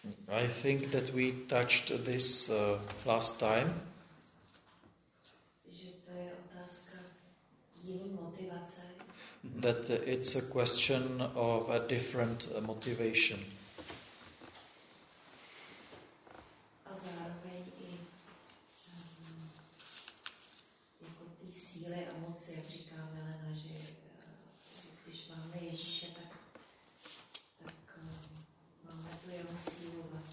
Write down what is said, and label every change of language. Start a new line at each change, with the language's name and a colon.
English: I think that we touched this last time.
Czech: Že to je otázka jiný motivace.
English: That it's a question of a different motivation.
Czech: A zároveň i jako ty síly a moci, jak říká Milena, že když máme Ježíše, tak máme tu jeho sílu.